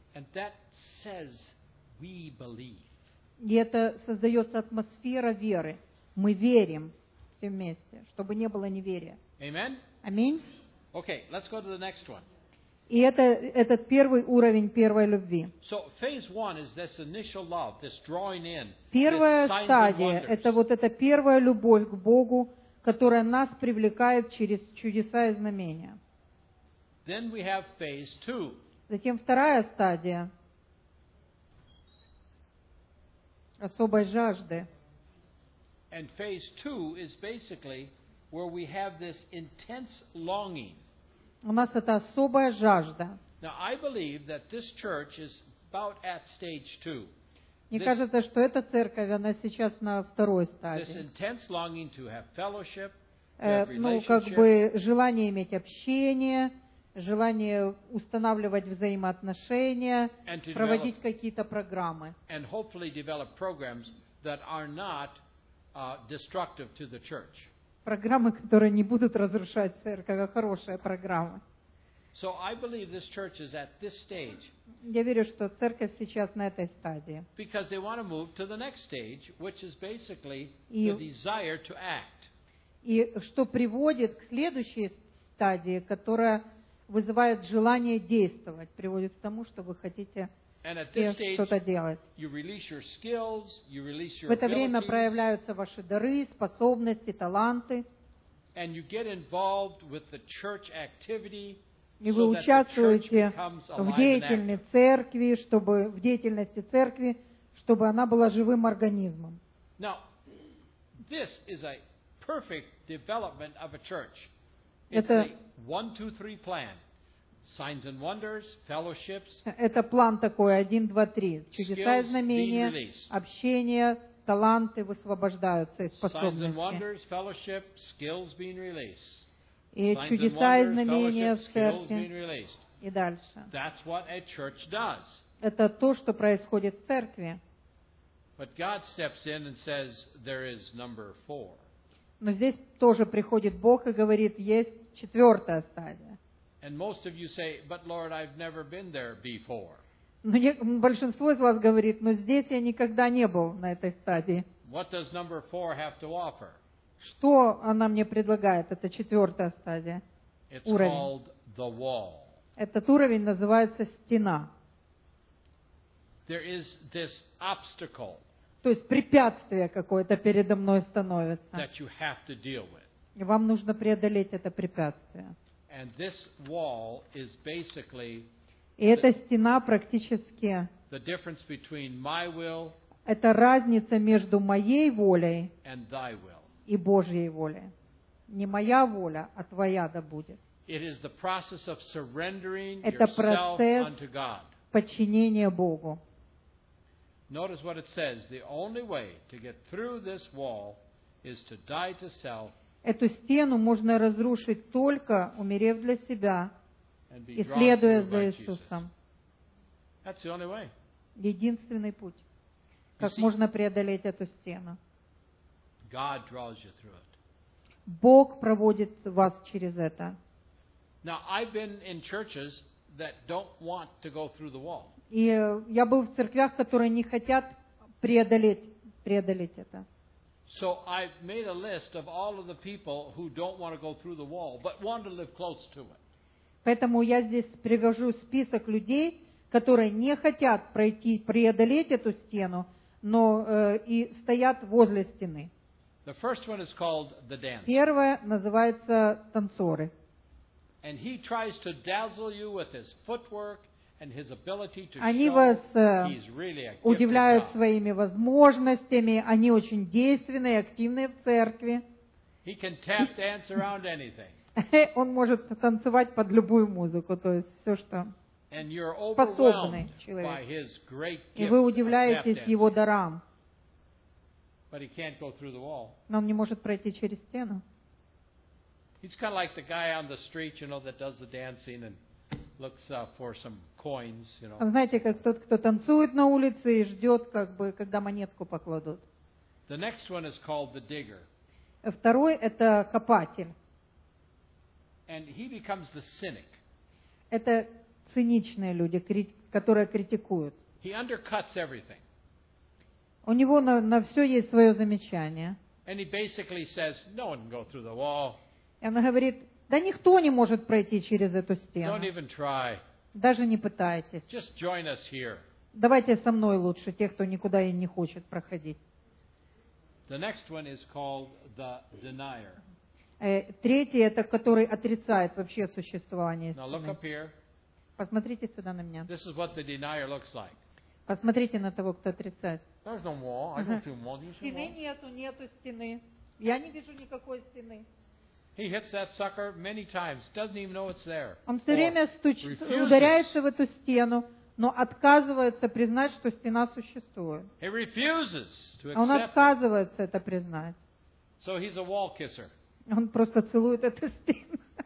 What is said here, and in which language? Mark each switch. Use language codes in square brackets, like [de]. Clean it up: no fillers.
[en] And that says we believe. [ru] И это создается атмосфера веры. Мы верим все вместе, чтобы не было неверия. [en] Amen? [ru] Аминь. [en] Okay, let's go to the next one. [ru] И это этот первый уровень первой любви. [en] So phase one is this initial love, this drawing in. [ru] Первая стадия — это вот эта первая любовь к Богу, которая нас привлекает через чудеса и знамения. [en] Then we have phase two. [ru] Затем вторая стадия. Особой жажды. [en] And phase two is basically where we have this intense longing. [ru] У нас это особая жажда. [en] Now I believe that this church is about at stage two. [ru] Мне кажется, что эта церковь, она сейчас на второй стадии. [en] This intense longing to have fellowship, [ru] ну, как бы желание иметь общение, желание устанавливать взаимоотношения, проводить какие-то программы. [en] And hopefully develop programs that are not destructive to the church. [ru] Программы, которые не будут разрушать церковь, а хорошая программа. [en] So I believe this church is at this stage. [ru] Я верю, что церковь сейчас на этой стадии. [en] Because they want to move to the next stage, which is basically the desire to act. [ru] И что приводит к следующей стадии, которая вызывает желание действовать, приводит к тому, что вы хотите что-то делать. [en] You release your skills, you release your [ru] В это время проявляются ваши дары, способности, таланты. [en] And you get involved with the church activity, [ru] и вы участвуете в деятельности церкви, чтобы в деятельности церкви, чтобы она была живым организмом. [en] Now, this is a perfect development of a church. [ru] Это [en] 1-2-3 plan. Signs and wonders, fellowships. [ru] Это план такой 1-2-3. Чудеса и знамения, общение, таланты высвобождаются из способности. [en] Signs and wonders, fellowship, skills being released. [ru] И чудеса и знамения в церкви. И дальше. [en] That's what a church does. [ru] Это то, что происходит в церкви. [en] But God steps in and says there is number four. [ru] Но здесь тоже приходит Бог и говорит, есть четвертая стадия. [en] And most of you say, but Lord, I've never been there before. [ru] Большинство из вас говорит, но здесь я никогда не был на этой стадии. [en] What does number four have to offer? [ru] Что она мне предлагает, эта четвертая стадия? [en] It's called the wall. [ru] Этот уровень называется стена. [en] There is this obstacle. [ru] То есть препятствие какое-то передо мной становится. [en] That you have to deal with. [ru] И вам нужно преодолеть это препятствие. [en] And this wall is basically [ru] и эта стена практически [en] the difference between my will [ru] это разница между моей волей [en] and thy will. [ru] И Божьей волей. Не моя воля, а твоя да будет. [en] It is the process of surrendering [ru] это процесс [en] unto God. [ru] Подчинения Богу. [en] Notice what it says. The only way to get through this wall is to die to self. [ru] Эту стену можно разрушить только умерев для себя и следуя за Иисусом. [en] That's the only way. [ru] Единственный путь. Как можно преодолеть эту стену? [en] God draws you through it. [ru] Бог проводит вас через это. [en] Now I've been in churches that don't want to go through the wall. [ru] И я был в церквях, которые не хотят преодолеть это. [en] So I've made a list of all of the people who don't want to go through the wall, but want to live close to it. [ru] Поэтому я здесь привожу список людей, которые не хотят пройти, преодолеть эту стену, но и стоят возле стены. [en] The first one is called the dancer. [ru] Первое называется танцоры. [en] And he tries to dazzle you with his footwork. And his ability to [ru] они [en] show [ru] вас [en] he's really a [ru] удивляют своими возможностями. Они очень действенные, активные в церкви. [en] He can tap dance around anything. [ru] Он может танцевать под любую музыку, то есть все, что [en] and you're overwhelmed [ru] способный человек. [en] By his great gift [ru] и вы удивляетесь его дарам. [en] But he can't go through the wall. [ru] Но он не может пройти через стену. [en] He's kind of like the guy on the street, you know, that does the dancing and looks for some coins, you know. [ru] Знаете, как тот, кто танцует на улице и ждет, как бы, когда монетку покладут. [en] The next one is called the digger. [ru] Второй – это копатель. [en] And he becomes the cynic. [ru] Это циничные люди, которые критикуют. [en] He undercuts everything. [ru] У него на все есть свое замечание. [en] And he basically says, no one can go through the wall. [ru] И он говорит, да никто не может пройти через эту стену. [en] Don't even try. [ru] Даже не пытайтесь. [en] Just join us here. [ru] Давайте со мной лучше, тех, кто никуда и не хочет проходить. [en] The next one is called the denier. [ru] Третий – это который отрицает вообще существование стены. [en] Now look up here. [ru] Посмотрите сюда на меня. [en] This is what the denier looks like. [ru] Посмотрите на того, кто отрицает. [en] There's no wall. I don't see wall. [ru] Стены нету, нету стены. Я не вижу никакой стены. [en] He hits that sucker many times. Doesn't even know it's there. [ru] Он все время ударяется в эту стену, но отказывается признать, что стена существует. [en] He refuses to accept. [ru] Он отказывается это признать. [en] So he's a wall kisser. [ru] Он просто целует эту стену.